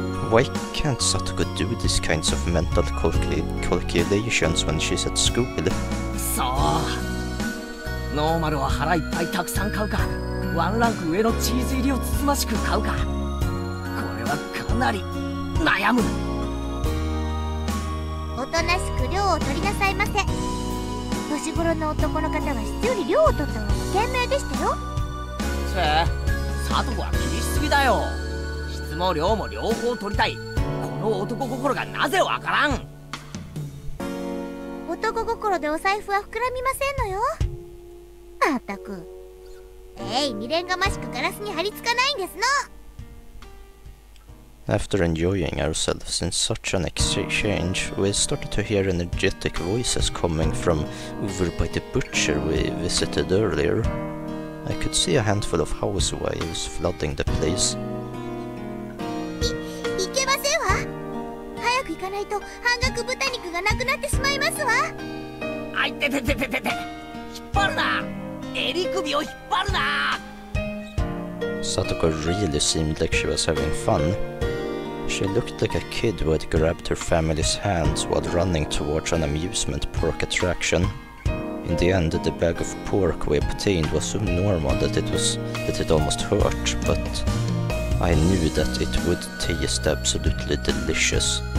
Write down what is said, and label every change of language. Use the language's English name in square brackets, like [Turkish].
[English] Why can't Satoko do these kinds of mental calculations when she's at school? [Japanese] そう、ノーマルは腹いっぱいたくさん買うか、ワンランク上のチーズ入りをつつましく買うか、これはかなり悩む。おとなしく量を取りなさいませ。年頃の男の方は質より量を取った方が賢明でしたよ。せえ、佐藤は気にしすぎだよ。質も量も両方取りたい、この男心がなぜわからん。男心でお財布は膨らみませんのよ。まったく、未練がましくガラスに張り付かないんですの。 [English] After enjoying ourselves in such an exchange, we started to hear energetic voices coming from over by the butcher we visited earlier. I could see a handful of housewives flooding the place. [Japanese] 行けませんわ。早く行かないと半額豚肉がなくなってしまいますわ。あいててててて、引っ張るな、襟首を引っ張るな。 [English] Satoko really seemed like she was having fun. She looked like a kid who had grabbed her family's hands while running towards an amusement park attraction. In the end, the bag of pork we obtained was so normal that it almost hurt, but I knew that it would taste absolutely delicious.